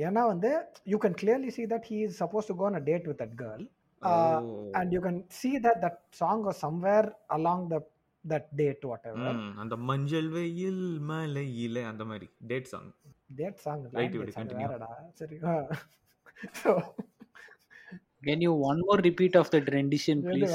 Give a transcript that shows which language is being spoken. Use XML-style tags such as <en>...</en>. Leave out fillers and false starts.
<ta>ஏனா வந்து</ta> <en>you can clearly see that he is supposed to go on a date with that girl. And you can see that that song was somewhere along the that date whatever.</en> <ta>அந்த மஞ்சள் வெயில் மலையில அந்த மாதிரி date song.</ta> <en>That song. Right, very கண்டினியூடா.</en> <ta>சரி.</ta> <en>So can you one more repeat of that rendition please?</en>